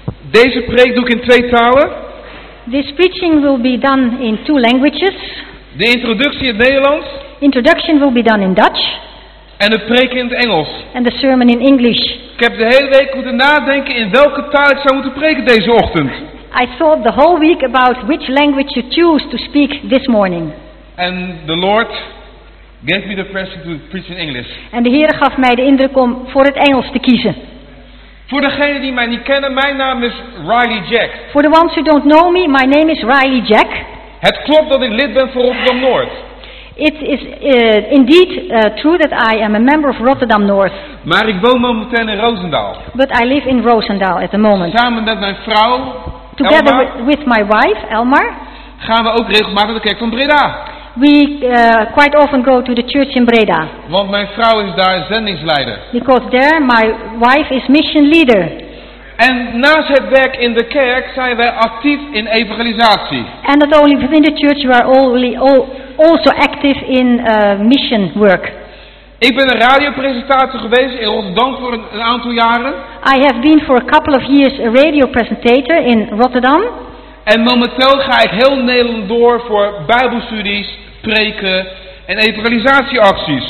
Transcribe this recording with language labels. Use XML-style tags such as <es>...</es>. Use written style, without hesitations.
<nl>Deze preek doe ik in twee talen.</nl> <en>This preaching will be done in two languages.</en> <nl>De introductie in het Nederlands.</nl> <en>Introduction will be done in Dutch.</en> <nl>En de preek in het Engels.</nl> <en>And the sermon in English.</en> <nl>Ik heb de hele week moeten nadenken in welke taal ik zou moeten preken deze ochtend.</nl> <en>I thought the whole week about which language to choose to speak this morning. And the Lord gave me the pressure to preach in English.</en> <nl>En de Heer gaf mij de indruk om voor het Engels te kiezen. Voor degenen die mij niet kennen, mijn naam is Riley Jack.</nl> <en>For the ones who don't know me, my name is Riley Jack.</en> <nl>Het klopt dat ik lid ben voor Rotterdam Noord.</nl> <en>It is indeed true that I am a member of Rotterdam North.</en> <nl>Maar ik woon momenteel in Roosendaal.</nl> <en>But I live in Roosendaal at the moment.</en> <nl>Samen met mijn vrouw,</nl> <en>together Elmar, with my wife, Elmar,</en> <nl>gaan we ook regelmatig de kerk van Breda.</nl> <en>We quite often go to the church in Breda.</en> <nl>Want mijn vrouw is daar zendingsleider.</nl> <en>Because there my wife is mission leader.</en> <nl>En naast het werk in de kerk zijn wij actief in evangelisatie.</nl> <en>And not only within the church, we are also active in mission work.</en> <nl>Ik ben een radiopresentator geweest in Rotterdam voor een aantal jaren.</nl> <en>I have been for a couple of years a radio presentator in Rotterdam.</en> <nl>En momenteel ga ik heel Nederland door voor bijbelstudies, preken en evangelisatieacties.</nl>